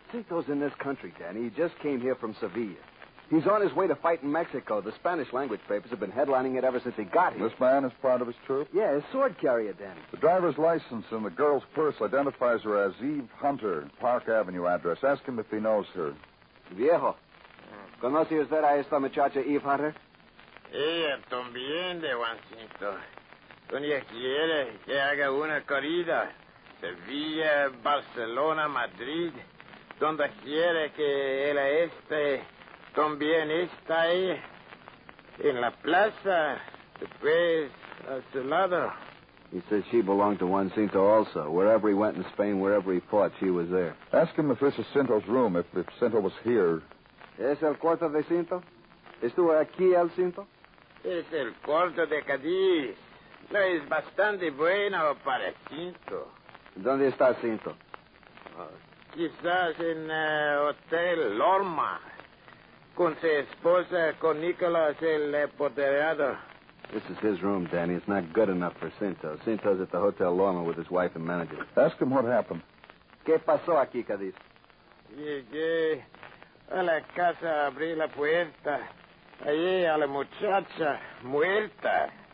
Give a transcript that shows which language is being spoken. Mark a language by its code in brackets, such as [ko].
[en] Cinto's in this country, Danny. He just came here from Sevilla. He's on his way to fight in Mexico. The Spanish language papers have been headlining it ever since he got here. This man is part of his troop? Yeah, his sword carrier, Danny. The driver's license and the girl's purse identifies her as Eve Hunter, Park Avenue address. Ask him if he knows her. [es] Viejo, ¿conoce usted a esta muchacha Eve Hunter? Ella también de Juancito. Un día quiere que haga una corrida. Sevilla, Barcelona, Madrid. Donde quiere que ella esté... También está ahí, en la plaza, después a su lado. [en] He said she belonged to Juancito also. Wherever he went in Spain, wherever he fought, she was there. Ask him if this is Cinto's room, if Cinto was here. [es] ¿Es el cuarto de Cinto? ¿Estuvo aquí el Cinto? Es el cuarto de Cadiz. No es bastante bueno para Cinto. ¿Dónde está Cinto? Quizás en el Hotel Lorma. Con su esposa, con Nicolás, el apoderado. [en] This is his room, Danny. It's not good enough for Cinto. Cinto's at the Hotel Lorma with his wife and manager. Ask him what happened. [es] ¿Qué pasó aquí, Cadiz? Llegué a la casa, abrí la puerta. Allí a la muchacha, muerta.